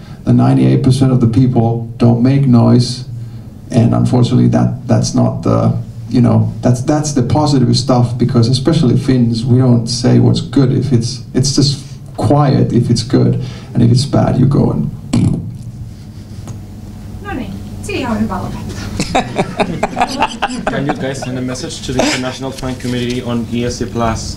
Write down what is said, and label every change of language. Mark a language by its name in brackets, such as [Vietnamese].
[English] The 98% of the people don't make noise, and unfortunately that's not the, you know, that's the positive stuff, because especially Finns, we don't say what's good if it's just quiet if it's good, and if it's bad you go and [Finnish] no niin, siihen on hyvä lopettaa. [English] Can you guys send a message to the International Fan Committee on ESC Plus?